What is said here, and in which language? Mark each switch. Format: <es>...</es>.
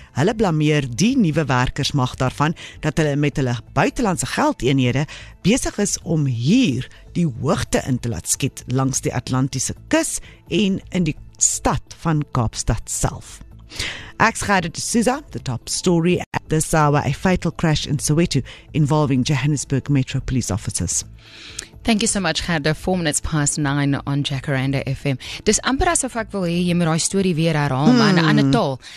<af>Hulle blameer die nuwe werkersmag daarvan dat hulle met hulle buitelandse geldeenhede besig is om hier die hoogte in te laat skiet langs die Atlantiese kus en in die stad van Kaapstad self. Ek's</af> <en>Gerda de Souza, the top story at this hour, a fatal crash in Soweto involving Johannesburg Metro Police officers. Thank you so much, Gerda. 4 minutes past 9 on Jacaranda FM.</en> <af>Dis amper asof ek wil hê jy moet daai storie weer herhaal, maar in 'n ander taal.</af>